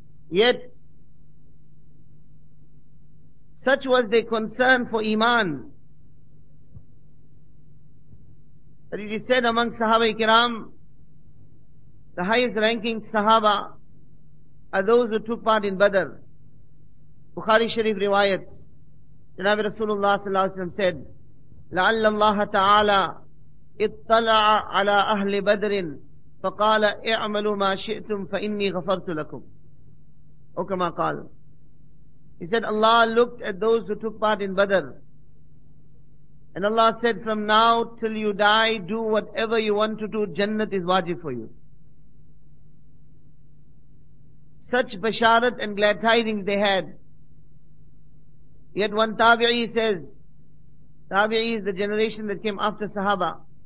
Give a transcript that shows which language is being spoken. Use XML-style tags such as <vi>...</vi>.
<en>Yet such was their concern for iman that it is said among Sahaba-i-Kiram, the highest ranking Sahaba are those who took part in Badr. Bukhari Sharif riwayat, Janabi Rasulullah sallallahu alayhi wa sallam said,</en> <ar>لَعَلَّ اللَّهَ تَعَالَى اِطَّلَعَ عَلَىٰ أَهْلِ بَدْرٍ فَقَالَ اِعْمَلُوا مَا شِئْتُمْ فَإِنِّي غَفَرْتُ لَكُمْ أو كما قال.</ar> <en>He said, Allah looked at those who took part in Badr. And Allah said, from now till you die, do whatever you want to do. Jannat is wajib for you. Such basharat and glad tidings they had, Yet one Tabi'i says, Tabi'i is the generation that came after Sahaba.</en>